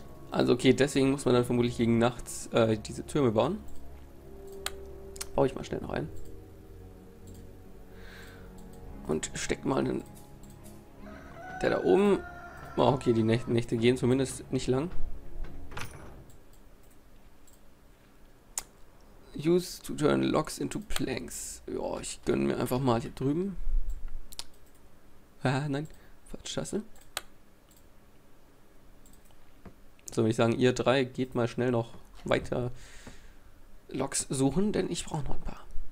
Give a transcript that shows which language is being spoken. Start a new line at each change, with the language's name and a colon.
German: Also okay, deswegen muss man dann vermutlich gegen nachts diese Türme bauen. Baue ich mal schnell noch ein. Und steck mal einen. Der da oben. Oh, okay, die Nächte gehen zumindest nicht lang.
English: Use to turn logs into planks.
German: Ja, ich gönne mir einfach mal hier drüben. Ah, nein. Falsch, Scheiße. So, würde ich sagen, ihr drei geht mal schnell noch weiter Loks suchen, denn ich brauche noch ein paar.